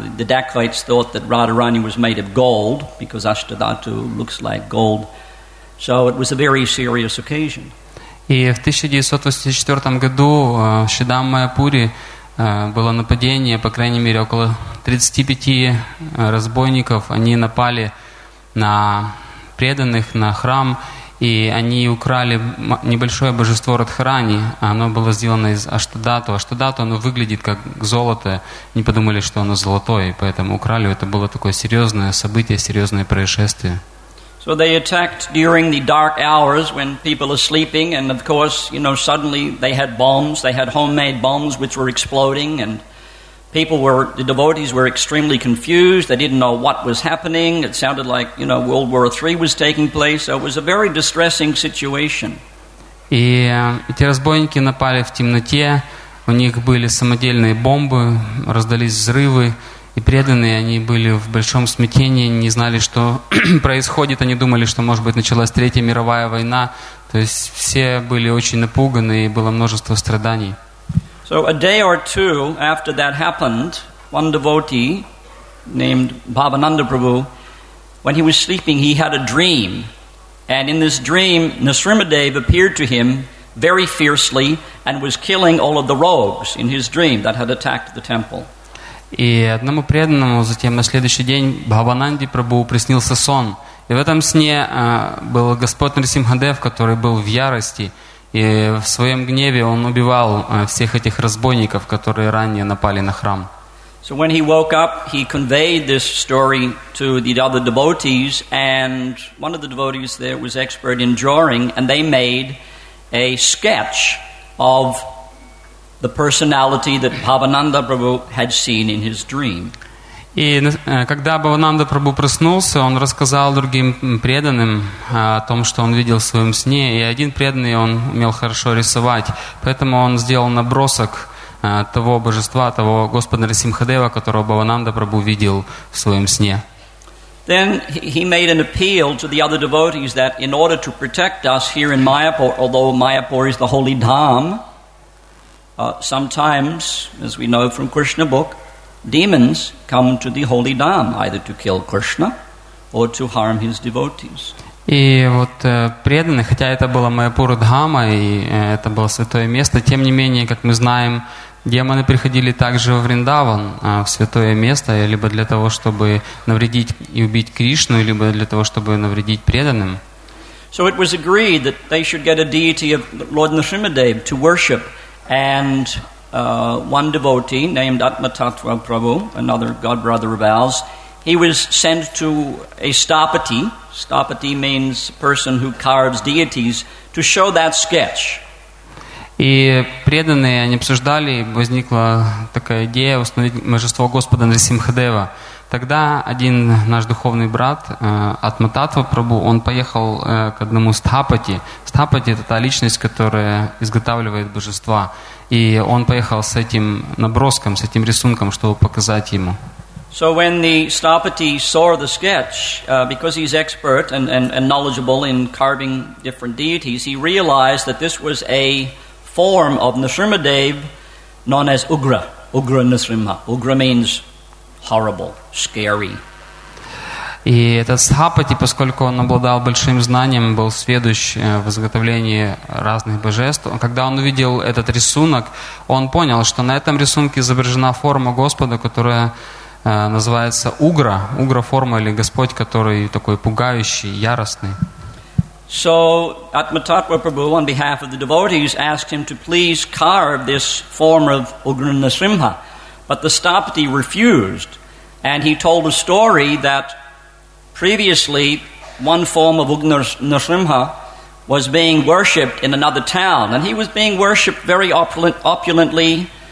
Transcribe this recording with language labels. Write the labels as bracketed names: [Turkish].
[English] The dacoits thought that Radharani was made of gold because Ashtadhatu looks like gold. So it was a very serious occasion. [Russian] И в 1984 году в Шридам Майапуре было нападение, по крайней мере, около 35 разбойников. Они напали на преданных, на храм, и они украли небольшое божество Радхарани, оно было сделано из аштадату. Аштадату, оно выглядит как золото, не подумали, что оно золотое, и поэтому украли. Это было такое серьезное событие, серьезное происшествие. [English] So they attacked during the dark hours when people are sleeping, and of course, you know, suddenly they had bombs, they had homemade bombs which were exploding, and the devotees were extremely confused. They didn't know what was happening. It sounded like, you know, World War III was taking place. So it was a very distressing situation. [Russian] И эти разбойники напали в темноте. У них были самодельные бомбы, раздались взрывы, И преданные, они были в большом смятении, не знали, что происходит. Они думали, что, может быть, началась Третья мировая война. То есть все были очень напуганы, и было множество страданий. [English] So a day or two after that happened, one devotee named Bhavananda Prabhu, when he was sleeping, he had a dream. And in this dream, Nisrimadeva appeared to him very fiercely and was killing all of the rogues in his dream that had attacked the temple. [Russian] И одному преданному затем на следующий день Бхавананди Прабху приснился сон. И в этом сне был Господь Нарсимхадев, который был в ярости. И в своем гневе он убивал всех этих разбойников, которые ранее напали на храм. [English] So when he woke up, he conveyed this story to the other devotees, and one of the devotees there was expert in drawing, and they made a sketch of the personality that Bhavananda Prabhu had seen in his dream. [Russian] И когда Бхавананда Прабху проснулся, он рассказал другим преданным о том, что он видел в своем сне, и один преданный, он умел хорошо рисовать, поэтому он сделал набросок того божества, того Господа Нарсимхадева, которого Бхавананда Прабху видел в своем сне. [English] Then he made an appeal to the other devotees that in order to protect us here in Mayapur, although Mayapur is the holy dham, sometimes, as we know from Krishna book, demons come to the holy dham either to kill Krishna or to harm his devotees. [Russian] И вот преданные, хотя это было Майяпура Дхама, и это было святое место, тем не менее, как мы знаем, демоны приходили также в Вриндаван, в святое место, либо для того, чтобы навредить и убить Кришну, либо для того, чтобы навредить преданным. [English] So it was agreed that they should get a deity of Lord Nrsimhadev to worship, and one devotee named Atmatattva Prabhu, another god brother of ours, he was sent to a stapati. Stapati means person who carves deities, to show that sketch. [Russian] И преданные, они обсуждали, возникла такая идея установить божество Господа Нарсимхадева. Тогда один наш духовный брат, Атмататтва Прабху, он поехал к одному стапати. Стапати – это та личность, которая изготавливает божества. И он поехал с этим наброском, с этим рисунком, чтобы показать ему. [English] So when the stapati saw the sketch, because he's expert and knowledgeable in carving different deities, he realized that this was a form of Nrsimhadev known as Ugra. Ugra Nrsimha. Ugra means horrible, scary. [Russian] И этот стапати, поскольку он обладал большим знанием, был сведущ в изготовлении разных божеств, когда он увидел этот рисунок, он понял, что на этом рисунке изображена форма Господа, которая называется Угра, Угра-форма или Господь, который такой пугающий, яростный. [English] So, Atmatattva Prabhu, on behalf of the devotees, asked him to please carve this form of Ugra Nrsimha. But the stapati refused, and he told a story that previously one form of Ugra Nrsimha was being worshipped in another town, and he was being worshipped very opulently.